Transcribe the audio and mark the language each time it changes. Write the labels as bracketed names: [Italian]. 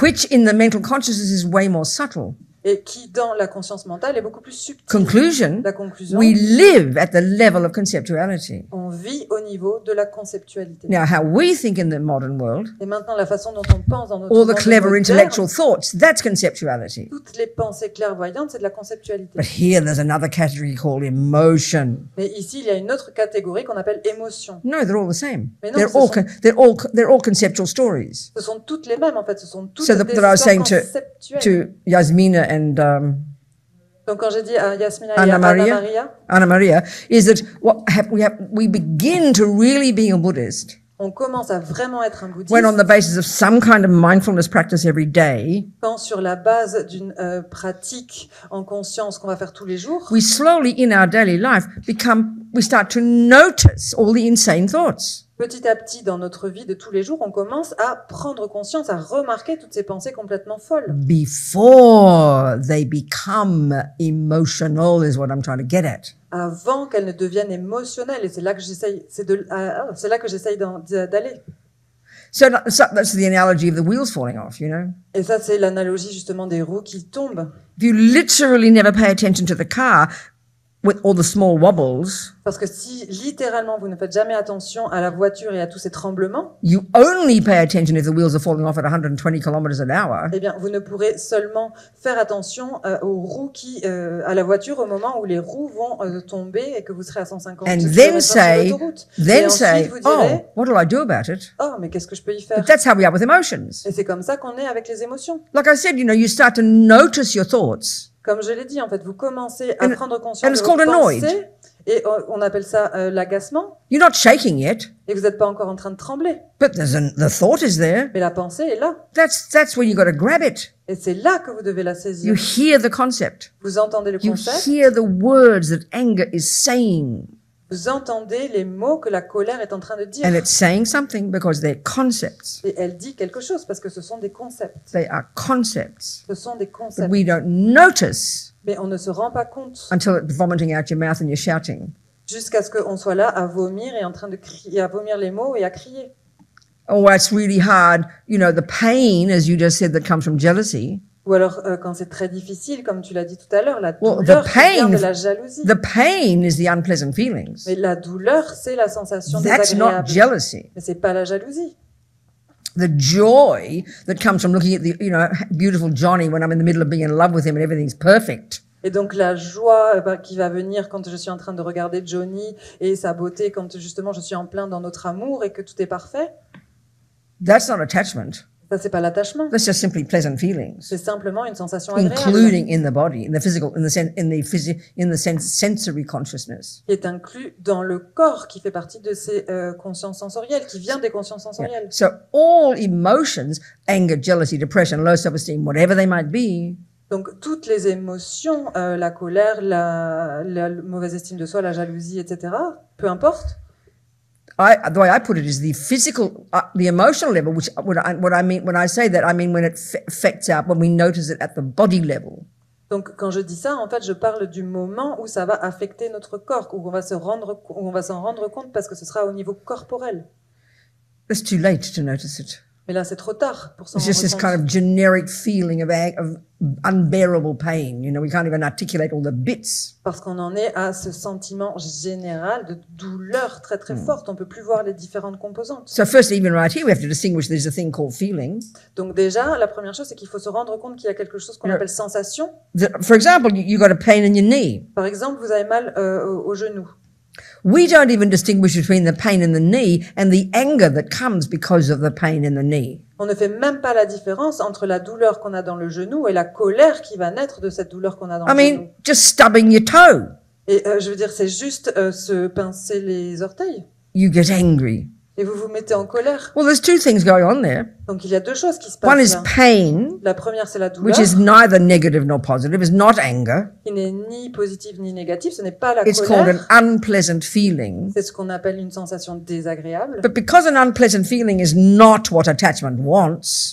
[English] which in the mental consciousness is way more subtle. [French] Et qui dans la conscience mentale est beaucoup plus subtile. [English] Conclusion, [French] la conclusion, [English] we live at the level of conceptuality. [French] On vit au niveau de la conceptualité. [English] Now how we think in the modern world, [French] et maintenant la façon dont on pense dans notre [English] all the clever intellectual thoughts, that's conceptuality. [French] Toutes les pensées clairvoyantes, c'est de la conceptualité. [English] But here there's another category called emotion. [French] Mais ici il y a une autre catégorie qu'on appelle émotion. [English] No, they're all the same. [French] Mais non, [English] they're all conceptual stories. [French] Ce sont toutes les mêmes en fait, ce sont toutes des histoires conceptuelles. [English] To Yasmina and [French] donc quand j'ai dit à Yasmina [English] Anna Maria is that we begin to really be a Buddhist, [French] on commence à vraiment être un bouddhiste, [English] when on the basis of some kind of mindfulness practice every day, [French] quand sur la base d'une pratique en conscience qu'on va faire tous les jours, [English] we slowly in our daily life we start to notice all the insane thoughts. [French] Petit à petit, dans notre vie de tous les jours, on commence à prendre conscience, à remarquer toutes ces pensées complètement folles. [English] Before they become emotional is what I'm trying to get at. [French] Avant qu'elles ne deviennent émotionnelles, et c'est là que j'essaye d'aller. [English] So that's the analogy of the wheels falling off, you know. [French] Et ça, c'est l'analogie justement des roues qui tombent. [English] If you literally never pay attention to the car, with all the small wobbles, [French] parce que si littéralement vous ne faites jamais attention à la voiture et à tous ces tremblements, [English] you only pay attention if the wheels are falling off at 120 kilometers an hour. [French] Eh bien, vous ne pourrez seulement faire attention aux roues qui à la voiture au moment où les roues vont tomber et que vous serez à 150 [English] and then say, [French] sur l'autoroute. [English] Then [French] et ensuite, [English] say, [French] vous direz, [English] oh, what will I do about it? [French] Oh, mais qu'est-ce que je peux y faire? [English] But that's how we are with emotions. [French] Et c'est comme ça qu'on est avec les émotions. [English] Like I said, you know, you start to notice your thoughts. [French] Comme je l'ai dit, en fait, vous commencez à prendre conscience de vos pensées, [English] annoyed. [French] Et on appelle ça l'agacement. [English] You're not shaking yet. [French] Et vous n'êtes pas encore en train de trembler. [English] But the thought is there. [French] Mais la pensée est là. [English] That's where you got to grab it. [French] Et c'est là que vous devez la saisir. [English] You hear the concept. [French] Vous entendez le [English] you [French] concept. [English] You hear the words that anger is saying. [French] Vous entendez les mots que la colère est en train de dire. [English] And it's saying something because they're concepts. [French] Et elle dit quelque chose parce que ce sont des concepts. [English] They are concepts. [French] Ce sont des concepts. [English] But we don't notice. [French] Mais on ne se rend pas compte. [English] Until it's vomiting out your mouth and you're shouting. [French] Jusqu'à ce qu'on soit là à vomir et en train de crier, à vomir les mots et à crier. [English] Oh, it's really hard. You know, the pain, as you just said, that comes from jealousy. [French] Ou alors quand c'est très difficile, comme tu l'as dit tout à l'heure, la douleur pain, de la jalousie. [English] The pain is the unpleasant feelings. [French] Mais la douleur, c'est la sensation [English] that's [French] désagréable. [English] Not jealousy. [French] Mais c'est pas la jalousie. [English] The joy that comes from looking at the, you know, beautiful Johnny when I'm in the middle of being in love with him and everything's perfect. [French] Et donc la joie qui va venir quand je suis en train de regarder Johnny et sa beauté, quand justement je suis en plein dans notre amour et que tout est parfait. [English] That's not attachment. [French] Ça, c'est pas l'attachement. [English] That's just simply pleasant feelings. [French] C'est simplement une sensation agréable. [English] Including in the body, in the physical, sensory consciousness. [French] Est inclus dans le corps qui fait partie de ces consciences sensorielles, qui vient des consciences sensorielles. [English] So all emotions, anger, jealousy, depression, low self-esteem, whatever they might be. [French] Donc toutes les émotions, la colère, la mauvaise estime de soi, la jalousie, etc. Peu importe. [English] The way I put it is the physical, the emotional level, which what I mean when I say that, when it affects our, when we notice it at the body level. [French] Donc quand je dis ça, en fait, je parle du moment où ça va affecter notre corps, où on va s'en rendre compte parce que ce sera au niveau corporel. [English] It's too late to notice it. [French] Mais là, c'est trop tard pour s'en rendre compte. [English] It's just this kind of generic feeling of unbearable pain. You know, we can't even articulate all the bits. [French] Parce qu'on en est à ce sentiment général de douleur très très forte. On peut plus voir les différentes composantes. [English] So first, even right here, we have to distinguish there's a thing called feeling. [French] Donc déjà, la première chose, c'est qu'il faut se rendre compte qu'il y a quelque chose qu'on appelle sensation. [English] For example, you got a pain in your knee. [French] Par exemple, vous avez mal au genou. [English] We don't even distinguish between the pain in the knee and the anger that comes because of the pain in the knee. [French] On ne fait même pas la différence entre la douleur qu'on a dans le genou et la colère qui va naître de cette douleur qu'on a dans le genou. [English] I mean, just stubbing your toe. [French] Et je veux dire, c'est juste se pincer les orteils. [English] You get angry. [French] Et vous vous mettez en colère. [English] Well, there's two things going on there. [French] Donc il y a deux choses qui se passent. [English] One is pain, [French] la première c'est la douleur, [English] which is neither negative nor positive, it's not anger. [French] Qui n'est ni positive ni négative, ce n'est pas la colère. [English] It's called an unpleasant feeling. [French] C'est ce qu'on appelle une sensation désagréable. [English] But because an unpleasant feeling is not what attachment wants.